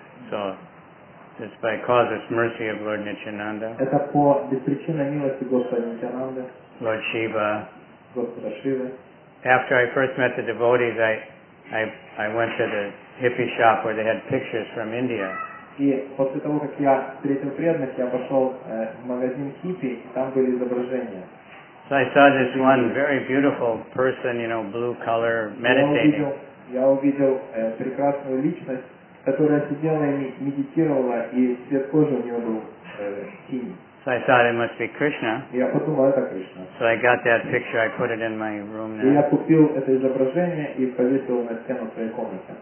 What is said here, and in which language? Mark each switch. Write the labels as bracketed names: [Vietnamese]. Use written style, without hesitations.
[English] So, it's by causeless mercy of Lord Nityananda. [Russian] Это по беспричинной милости Господа Нитянанды. [English] Lord Shiva. [Russian] Господа Шивы. [English] After I first met the devotees, I went to the hippie shop where they had pictures from India. [Russian] И после того, как я встретил преданных, я пошел в магазин хиппи, и там были изображения. [English] So I saw this one very beautiful person, you know, blue color, meditating. [Russian] Я увидел прекрасную личность, которая сидела и медитировала, и цвет кожи у нее был синий. [English] So I thought it must be Krishna. [Russian] Я подумал, это Кришна. [English] So I got that picture, I put it in my room now. [Russian] И я купил это изображение и повесил на стену своей комнаты.